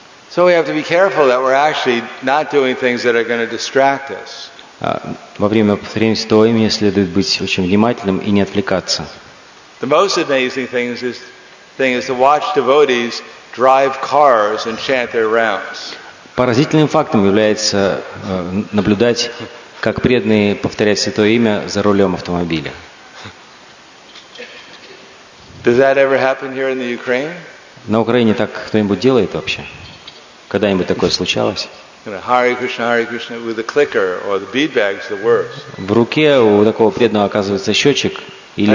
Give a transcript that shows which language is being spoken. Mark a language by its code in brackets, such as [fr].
[en] So we have to be careful that we're actually not doing things that are going to distract us. [ru] Во время повторения святого имени следует быть очень внимательным и не отвлекаться. [en] The most amazing thing is to watch devotees drive cars and chant their rounds. [ru] Поразительным фактом является наблюдать, как преданные повторяют святое имя за рулем автомобиля. [en] Does that ever happen here in the Ukraine? [ru] На Украине так кто-нибудь делает вообще? Когда-нибудь такое случалось? [en] Hare Krishna with the clicker or the bead bags, the worst. [ru] В руке у такого преданного оказывается счетчик или